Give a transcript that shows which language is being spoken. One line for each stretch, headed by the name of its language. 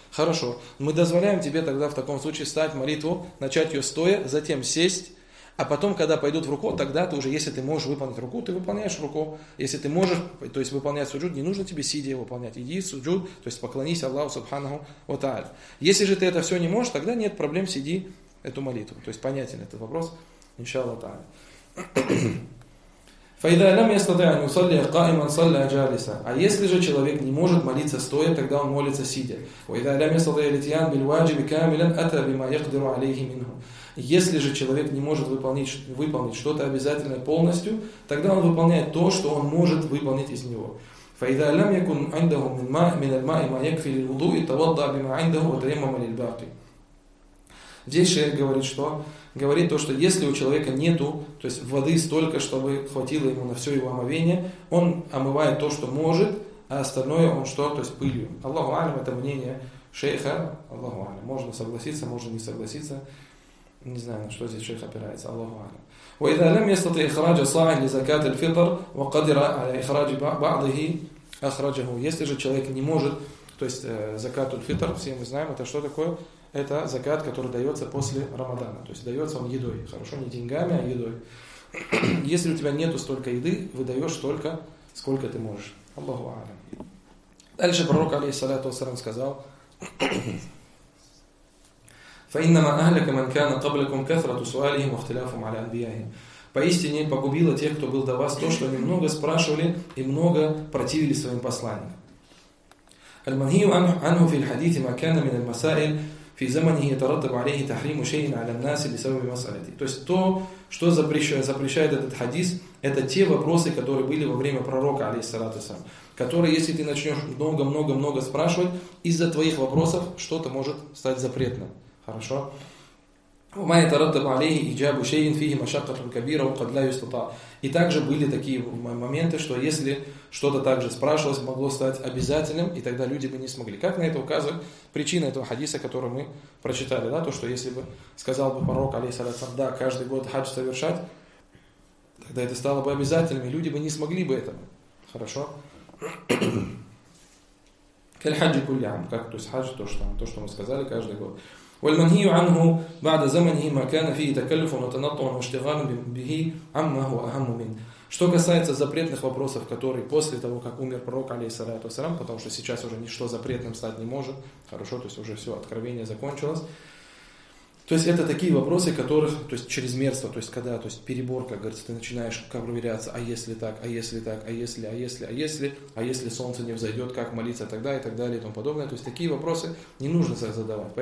Russian: Хорошо, мы дозволяем тебе тогда в таком случае ставить молитву, начать ее стоя, затем сесть, а потом, когда пойдут в руку, тогда ты уже, если ты можешь выполнить руку, ты выполняешь руку. Если ты можешь, то есть выполнять суджуд, не нужно тебе сидя выполнять. Иди суджуд, то есть поклонись Аллаху Субханаху ва Тааля. Если же ты это все не можешь, тогда нет проблем, сиди эту молитву. То есть понятен этот вопрос, иншаллах тааля.
Arabic: فإذا لم يستطع أن يصلي قائما صلى جالسا.
Russian: А если же человек не может молиться стоя, тогда он молится сидя.
Arabic: وإذا لم يستطع الاتيان بالواجب كاملا أتى بما يقدر عليه منه.
Russian: Если же человек не может выполнить что-то обязательное полностью, тогда он выполняет то, что он может выполнить из него.
Arabic: فإذا لم يكن عنده من ماء من الماء ما يكفي للوضوء توضأ بما عنده وتيمم للباقي.
Russian: Здесь шейх говорит, что говорит то, что если у человека нету, то есть воды столько, чтобы хватило ему на все его омовение, он омывает то, что может, а остальное он что, то есть пылью. Аллаху алим, это мнение шейха. Аллаху алим. Можно согласиться, можно не согласиться. Не знаю, на что здесь шейх опирается. Аллаху алим.
Arabic: وإذا لم يستطع إخراج صاع لزكاة الفطر وقدر على إخراج بعضه أخرجه.
Russian: Если же человек не может, то есть закат аль-фитр, все мы знаем, это что такое? Это закат, который дается после Рамадана. То есть дается он едой. Хорошо, не деньгами, а едой. Если у тебя нету столько еды, выдаешь столько, сколько ты можешь. Аллаху алим. Дальше пророк, алейхиссалату ассалям, сказал:
Arabic: فَإِنَّمَا أَهْلَكَ مَنْ كَانَ قَبْلَكُمْ كَثْرَةُ سُؤَالِهِمْ وَاخْتِلَافُهُمْ عَلَى أَنْبِيَائِهِمْ.
Russian: Поистине погубило тех, кто был до вас, то, что они много спрашивали и много противили своим посланиям.
Arabic: الْمَنْهِيُ عَنْهُ فِي الْحَدِيثِ مَا كَانَ مِنَ الْمَسَائِلِ في زمنه يترتب عليه تحريم شيء على الناس بسبب مسألته.
Russian: То есть то, что запрещает этот хадис, это те вопросы, которые были во время пророка, алейхиссалату ассалям, которые, если ты начнешь много спрашивать, из-за твоих вопросов что-то может стать запретным. Хорошо?
Arabic: وما يترتب عليه إجاب شيء فيه مشقة كبيرة وقد لا يستطاع.
Russian: И также были такие моменты, что если что-то также спрашивалось, могло стать обязательным, и тогда люди бы не смогли. Как на это указывает причина этого хадиса, который мы прочитали, да, то, что если бы сказал бы пророк, алейхиссалям, да, каждый год хадж совершать, тогда это стало бы обязательным, и люди бы не смогли бы этого. Хорошо? Кель хаджи кулям, как, то есть хадж, то, что мы сказали каждый год.
Arabic: والمنهي عنه بعد زمنه ما كان فيه تكلف وتنطع واشتغال به عما هو أهم منه.
Russian: Что касается запретных вопросов, которые после того, как умер пророк, алейхиссалату вассалям, потому что сейчас уже ничто запретным стать не может, хорошо, то есть уже все, откровение закончилось. То есть это такие вопросы, которых, то есть чрезмерство, то есть когда, то есть перебор, как говорится, ты начинаешь проверяться, а если так, а если так, а если, а если, а если, а если солнце не взойдет, как молиться тогда и так далее и тому подобное. То есть такие вопросы не нужно задавать.